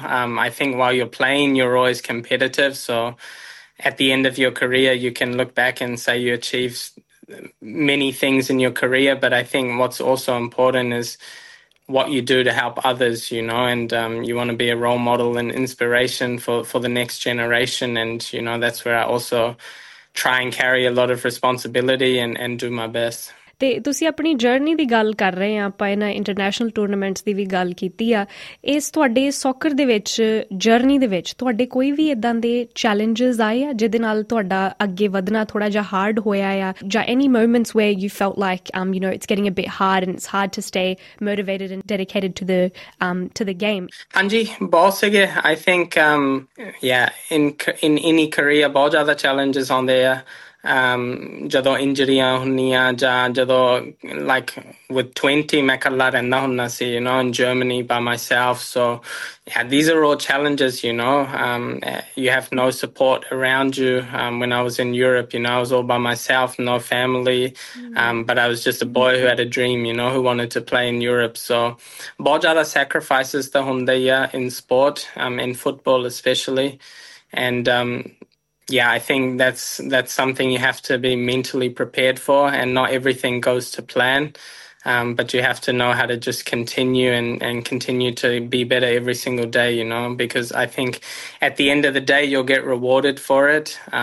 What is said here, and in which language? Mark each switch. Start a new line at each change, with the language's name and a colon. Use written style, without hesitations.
English: I think while you're playing, you're always competitive. So at the end of your career, you can look back and say you achieved many things in your career. But I think what's also important is what you do to help others, you know, and you want to be a role model and inspiration for the next generation. And, you know, that's where I also try and carry a lot of responsibility and do my best.
Punjabi: ਤੇ ਤੁਸੀਂ ਆਪਣੀ journey ਦੀ ਗੱਲ ਕਰ ਰਹੇ ਹਾਂ, ਆਪਾਂ ਇਹਨਾਂ international tournaments ਦੀ ਵੀ ਗੱਲ ਕੀਤੀ ਆ, ਇਸ ਤੁਹਾਡੇ ਸੌਕਰ ਦੇ ਵਿੱਚ ਜਰਨੀ ਦੇ ਵਿੱਚ ਤੁਹਾਡੇ ਕੋਈ ਵੀ ਇੱਦਾਂ ਦੇ ਚੈਲੰਜਸ ਆਏ ਆ ਜਿਹਦੇ ਨਾਲ ਤੁਹਾਡਾ ਅੱਗੇ ਵਧਣਾ ਥੋੜ੍ਹਾ ਜਿਹਾ ਹਾਰਡ ਹੋਇਆ ਆ, ਜਾਂ
English: Any moments where you felt like you know it's getting a bit hard and it's hard to stay motivated and dedicated to the game?
Punjabi: ਹਾਂਜੀ, ਬਹੁਤ ਸੀਗੇ.
English: I think ya in any career
Punjabi: ਬਹੁਤ ਜ਼ਿਆਦਾ ਚੈਲੰਜਸ ਆਉਂਦੇ ਆ. ਜਦੋਂ ਇੰਜਰੀਆਂ ਹੁੰਦੀਆਂ ਜਾਂ ਜਦੋਂ ਲਾਈਕ ਵਿਦ 20 ਮੈਂ ਇਕੱਲਾ ਰਹਿੰਦਾ ਹੁੰਦਾ ਸੀ,
English: You know, in Germany by myself, so ya these are all challenges, you know, you have no support around you. When I was in Europe, you know, I was all by myself, no family, but I was just a boy who had a dream, you know, who wanted to play in Europe.
Punjabi: ਸੋ ਬਹੁਤ ਜ਼ਿਆਦਾ ਸੈਕਰੀਫਾਈਸਿਸ ਤਾਂ ਹੁੰਦੇ ਆ
English: In sport, in football specially. And yeah, I think that's something you have to be mentally prepared for, and not everything goes to plan, but you have to know how to just continue and continue to be better every single day, you know, because I think at the end of the day you'll get rewarded for it.